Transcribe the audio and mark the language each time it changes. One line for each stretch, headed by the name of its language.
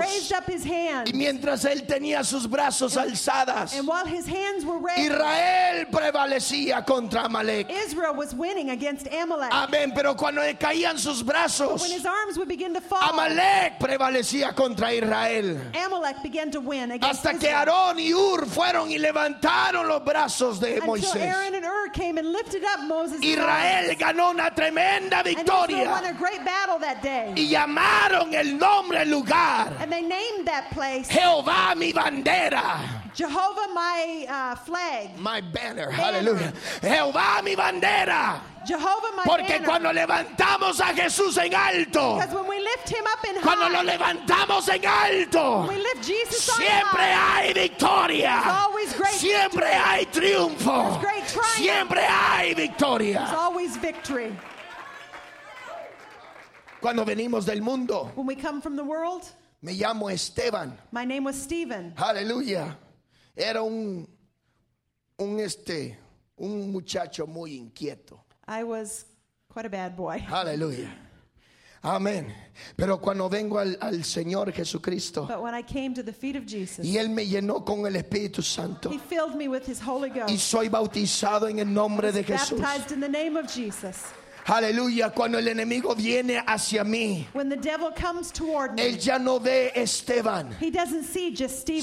English: Raised up his hands.
Spanish: Y mientras él tenía sus brazos alzadas.
English: And while his hands were raised.
Spanish: Israel prevalecía contra Amalek.
English: Israel was winning against Amalek.
Spanish: Amén. Pero cuando le caían sus brazos.
English: But when his arms would begin to fall.
Spanish: Amalek prevalecía contra Israel.
English: Amalek began to win against Israel.
Spanish: Hasta que Aarón y Ur fueron y levantaron los brazos de Moisés.
English: Until Aaron and Ur came and lifted up Moses.
Spanish: Israel ganó una tremenda victoria.
English: And Israel won a great battle that day.
Spanish: Y llamaron el nombre lugar.
English: And they named that place.
Spanish: Jehová mi bandera.
English: Jehovah my flag. My banner. Hallelujah.
Spanish: Jehová mi bandera.
English: Jehovah my
Spanish: Porque
English: banner.
Spanish: Cuando levantamos a Jesús en alto.
English: Because when we lift him up in high.
Spanish: Cuando lo levantamos en alto.
English: We lift Jesus on high.
Spanish: Siempre hay victoria.
English: There's always great
Spanish: Siempre
English: victory.
Spanish: Hay triunfo.
English: There's great triumph.
Spanish: Siempre hay victoria.
English: There's always victory.
Spanish: Cuando venimos del mundo.
English: When we come from the world.
Spanish: Me llamo Esteban.
English: My name was Stephen.
Spanish: Hallelujah. Era un muchacho muy inquieto.
English: I was quite a bad boy.
Spanish: Hallelujah. Amén. Pero cuando vengo al Señor Jesucristo.
English: But when I came to the feet of Jesus.
Spanish: Y Él me llenó con el Espíritu Santo.
English: He filled me with His Holy Ghost.
Spanish: Y soy bautizado en el nombre de Jesús.
English: Baptized in the name of Jesus.
Spanish: Aleluya, cuando el enemigo viene hacia mí,
English: when the devil comes toward me,
Spanish: él ya no ve Esteban,
English: he doesn't see just Stephen,